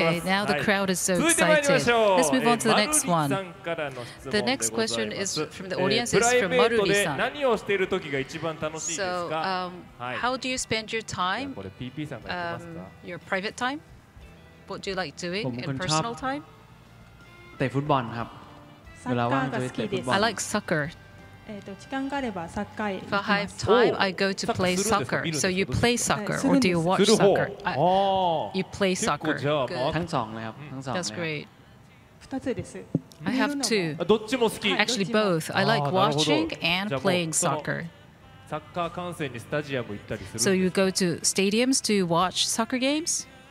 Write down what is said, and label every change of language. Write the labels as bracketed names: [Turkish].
[English] Okay, now the crowd is so excited Let's move on to the next one The next question is from the audience is from Maruri-san. [Japanese] 何をしている時が一番楽しいですか? [English] So, how do you spend your time? [Japanese] これ PP さんが言ってますか? [English] Your private time? What do you like doing in personal time? [Thai] เตะฟุตบอลครับ เวลาว่างก็เตะฟุตบอ [English] ล I like soccer. [Japanese] 時間があればサッカー [English] If I have time, I go to play soccer. So you play soccer or do you watch soccer? You play soccer. [Thai] ทั้งสองเลยครับทั้งสองเลย [English] That's great. [Japanese] 2つです。 [English] I have two. [Japanese] どっちも好き。 [English] Actually both. I like watching and playing soccer. [Japanese] サッカー観戦にスタジアム行ったりする。 [English] So you go to stadiums to watch soccer games?